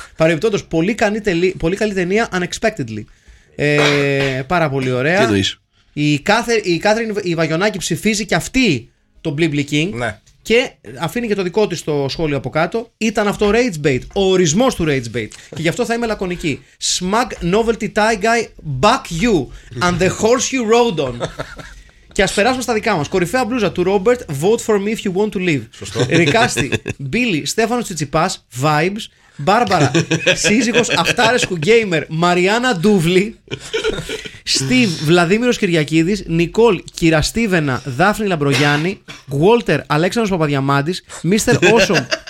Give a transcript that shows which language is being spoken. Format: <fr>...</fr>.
<el>Παρεμπιπτόντως, πολύ καλή ταινία, unexpectedly. πάρα πολύ ωραία. Τι εννοείς? Η Κάθριν Βαγιονάκη ψηφίζει και αυτή τον Μπλίμπλι King. Ναι. Και αφήνει και το δικό της το σχόλιο από κάτω. Ήταν αυτό Rage Bait, ο ορισμός του Rage Bait. Και γι' αυτό θα είμαι λακωνική.</el> <en>Smug novelty tie guy, back you and the horse you rode on.</en> <el>Και ας περάσουμε στα δικά μας. Κορυφαία μπλούζα του Robert,</el> <en>vote for me if you want to live.</en> <el>Σωστό. Ρικάστη, Billy, Στέφανος Τσιτσιπάς, vibes. Μπάρμπαρα, σύζυγος αυτάρεσκου gamer, Μαριάννα Ντούβλη. Στίβ, Βλαδίμηρος Κυριακίδης. Νικόλ, Κυραστίβενα, Δάφνη Λαμπρογιάννη. Γουόλτερ, Αλέξανδρος Παπαδιαμάντης. Μίστερ Awesome,</el>